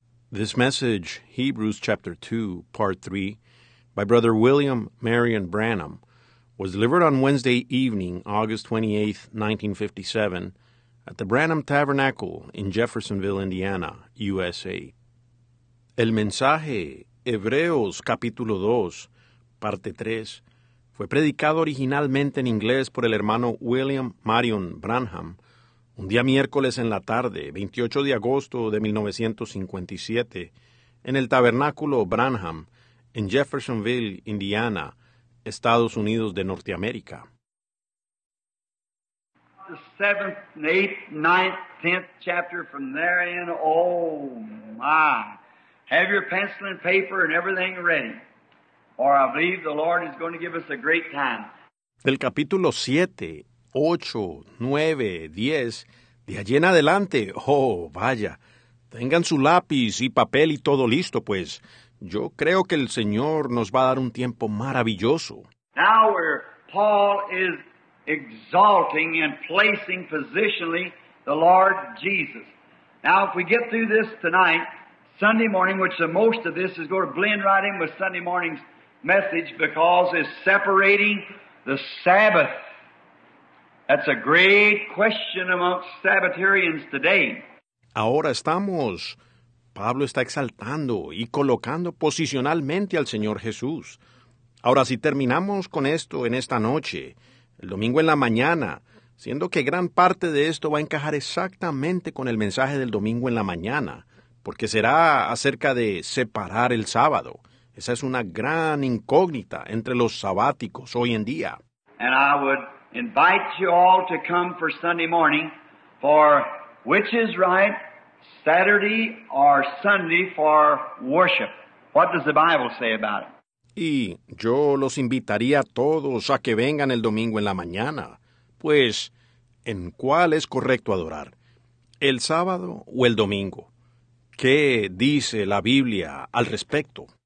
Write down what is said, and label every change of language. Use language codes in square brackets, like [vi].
[en] This message, Hebrews chapter 2, part 3, by Brother William Marion Branham, was delivered on Wednesday evening, August 28, 1957, at the Branham Tabernacle in Jeffersonville, Indiana, USA. [es] El mensaje, Hebreos capítulo 2, parte 3, fue predicado originalmente en inglés por el hermano William Marion Branham, un día miércoles en la tarde, 28 de agosto de 1957, en el Tabernáculo Branham, en Jeffersonville, Indiana, Estados Unidos de Norteamérica. [en] The 7th, 8th, 9th, 10th chapter from there in, oh my. Have your pencil and paper and everything ready, or I believe the Lord is going to give us a great time. [es] Del capítulo 7, 8, 9, 10, de allí en adelante, oh, vaya, tengan su lápiz y papel y todo listo, pues, yo creo que el Señor nos va a dar un tiempo maravilloso. [en] Now where Paul is exalting and placing positionally the Lord Jesus. Now if we get through this tonight, Sunday morning, which the most of this is going to blend right in with Sunday morning's message because it's separating the Sabbath. That's a great question amongst Sabbatarians today. [es] Ahora estamos, Pablo está exaltando y colocando posicionalmente al Señor Jesús. Ahora, si terminamos con esto en esta noche, el domingo en la mañana, siendo que gran parte de esto va a encajar exactamente con el mensaje del domingo en la mañana, porque será acerca de separar el sábado. Esa es una gran incógnita entre los sabáticos hoy en día. [en] And I would invite you all to come for Sunday morning, for which is right, Saturday or Sunday for worship. What does the Bible say about it? [es] Y yo los invitaría a todos a que vengan el domingo en la mañana, pues, ¿en cuál es correcto adorar? ¿El sábado o el domingo? ¿Qué dice la Biblia al respecto?